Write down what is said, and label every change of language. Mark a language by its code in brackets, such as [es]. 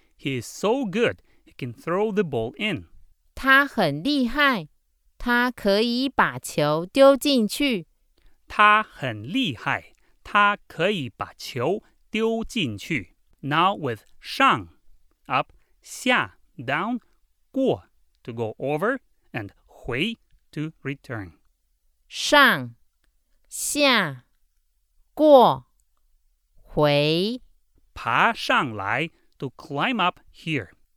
[en] He is so good, he can throw the ball in. [zh] 他很厉害, 他可以把球丢进去. 他很厉害, 他可以把球丢进去. [en] Now with 上, up, 下, down, 过, to go over, and 回, to return. [zh] 上, 下, 过, 回. 爬上来, [en] to climb up here.